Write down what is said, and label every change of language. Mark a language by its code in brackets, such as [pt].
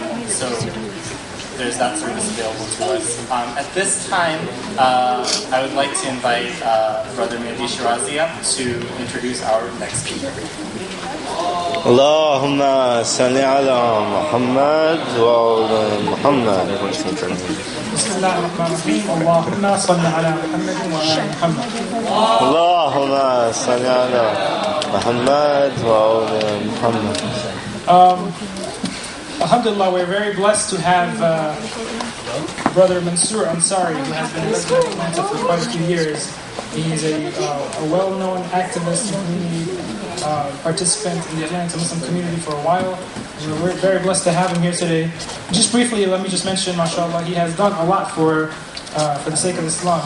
[en] So there's that service available to us. At this time, I would like to invite Brother Mehdi Shirazi up to introduce our next speaker. [ar] اللهم صل على محمد وعلى محمد بسم الله الرحمن الرحيم اللهم صل على محمد وعلى محمد اللهم صل على محمد وعلى محمد [en] Alhamdulillah, we're very blessed to have Brother Mansour Ansari, who has been with Atlanta for quite a few years. He's a well-known activist and community participant in the Atlanta Muslim community for a while. And we're very blessed to have him here today. Just briefly, let me just mention, mashallah, he has done a lot for the sake of Islam.